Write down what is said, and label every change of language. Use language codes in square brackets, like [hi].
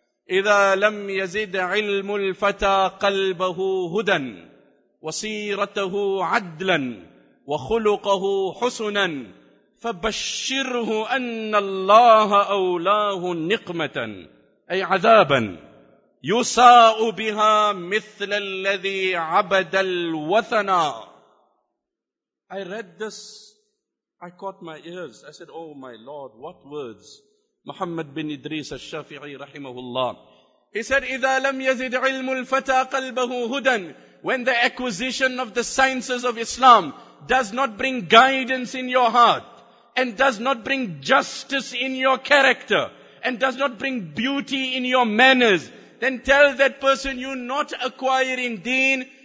[ar] إِذَا لَمْ يَزِدْ عِلْمُ الْفَتَى قَلْبَهُ هُدًى وَسِيرَتَهُ عَدْلًا وَخُلُقَهُ حُسُنًا فَبَشِّرْهُ أَنَّ اللَّهَ أَوْلَاهُ نِقْمَةً أي عَذَابًا يُسَاءُ بِهَا مِثْلَ الَّذِي عَبَدَ الْوَثَنَى. [en] I read this, I caught my ears. I said, oh my Lord, what words. Muhammad bin Idris al-Shafi'i rahimahullah. He said, [ar] إِذَا لَمْ يَزِدْ عِلْمُ الْفَتَى قَلْبَهُ هُدًى. [en] When the acquisition of the sciences of Islam does not bring guidance in your heart and does not bring justice in your character and does not bring beauty in your manners, then tell that person you're not acquiring deen.